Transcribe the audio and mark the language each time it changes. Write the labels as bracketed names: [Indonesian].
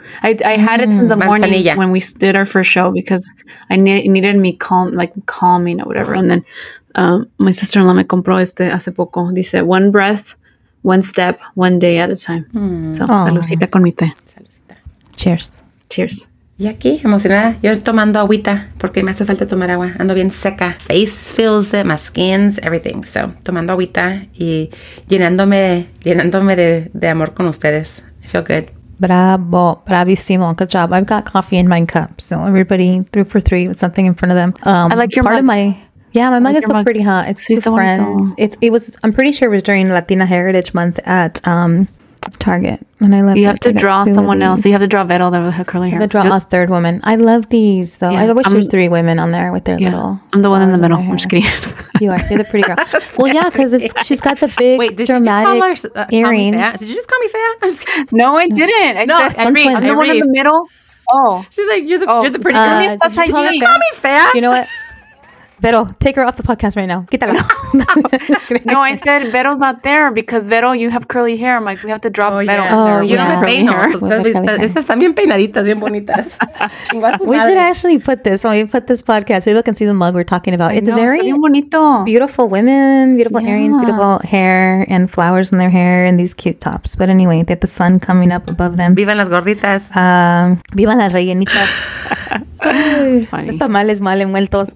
[English] I had it since the morning when we did our first show because I needed me calming or whatever. And then my sister-in-law [Spanish] me compró este hace poco. Dice, [English] one breath, one step, one day at a time. [Spanish] Salucita con mi té. [English] Cheers. [Spanish] Y aquí, emocionada. Yo tomando agüita porque me hace falta tomar agua. Ando bien seca. [English] Face feels it, my skin's everything. [Spanish] So, tomando agüita y llenándome de amor con ustedes. [English] I feel good. Bravo. Bravissimo. Good job. I've got coffee in my cup. So, everybody, 3 for 3 with something in front of them. I like your mug. My mug is so pretty hot. It's with friends. I'm pretty sure it was during Latina Heritage Month at Target, and I love you. Have to draw someone else, you have to draw Vero there with her curly hair. A third woman. I love these though. Yeah. I wish there's three women on there with their little. I'm the one in the middle. I'm just kidding. You are, you're the pretty girl. Well, yeah, because she's got the big dramatic earrings. Did you just call me fat? I'm just kidding. No, I didn't. I said, I'm the one in the middle. Oh, she's like, you're the pretty girl. You call me fat. You know what? Vero, take her off the podcast right now. [Spanish] Quítala. [English] No, I said Vero's not there because Vero, you have curly hair. I'm like, we have to drop Vero. Yeah. Oh, you don't have peinado. [Spanish] Estas también peinaditas, bien bonitas. [English] We should actually put this when we put this podcast. People can see the mug we're talking about. It's very [Spanish] bonito. [English] Beautiful women, beautiful earrings, beautiful hair, and flowers in their hair, and these cute tops. But anyway, they have the sun coming up above them. [Spanish] Vivan las gorditas. Vivan las rellenitas. Los tamales mal envueltos.